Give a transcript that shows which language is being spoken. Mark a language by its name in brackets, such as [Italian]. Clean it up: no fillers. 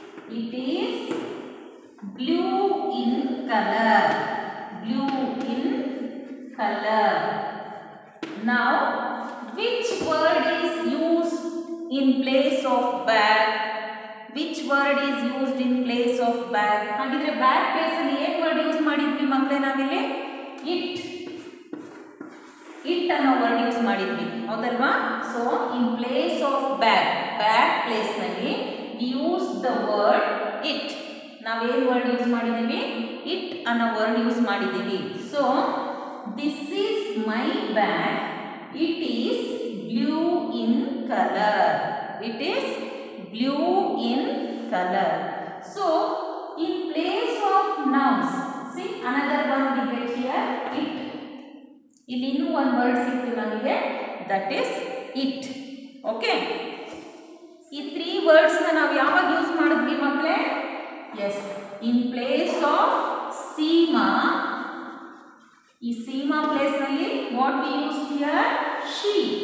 [English] It is blue in color. Blue in color. Now, which word is used in place of bag? Which word is used in place of bag? [Kannada] ಹಾಗಿದ್ರೆ bag place ಅಲ್ಲಿ ಏನ್ word use ಮಾಡಿದ್ವಿ ಮಕ್ಕಳೇ ನಾವಿಲ್ಲಿ? [English] It. It ಅನ್ನೋ word use [Kannada] ಮಾಡಿದ್ವಿ ಹೌದಲ್ವಾ? [English] So, in place of bag, bag place ನಲ್ಲಿ we use the word it. [Kannada] ನಾವೇನ್ word use ಮಾಡಿದ್ದೀವಿ? It ಅನ್ನೋ word use ಮಾಡಿದ್ದೀವಿ. [English] So, this is my bag. It is blue in color. It is blue in color. So, in place of nouns, see another one we get here, it. [Kannada] ಇಲ್ಲಿ ಇನ್ನೂ ಒಂದು word ಸಿಕ್ತು ನಮಗೆ, [English] That is it. [Kannada] Okay, ಈ three ವರ್ಡ್ಸ್ನ ನಾವು ಯಾವಾಗ use ಮಾಡಿದ್ವಿ ಮಕ್ಕಳೇ? [English] Yes, in place of Seema. [Kannada] ಈ Seema ಪ್ಲೇಸ್ನಲ್ಲಿ [English] What we use here? She.